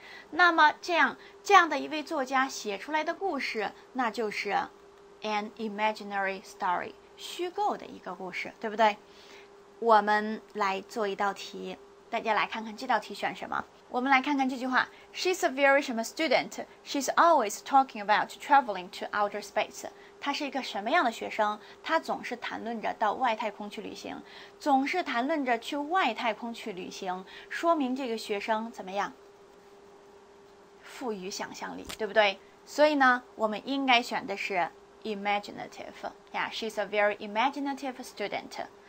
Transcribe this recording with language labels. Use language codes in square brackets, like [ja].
[zh] 那么这样的一位作家写出来的故事，那就是 [en] An imaginary story， [zh] 虚构的一个故事，对不对？我们来做一道题，大家来看看这道题选什么。我们来看看这句话 ： [en] She's a very [zh] 什么 student? [en] She's always talking about traveling to outer space。 [zh] 她是一个什么样的学生？她总是谈论着到外太空去旅行，总是谈论着去外太空去旅行，说明这个学生怎么样？富于想象力，对不对？所以呢，我们应该选的是。 [en] Imaginative. Yeah, she's a very imaginative student.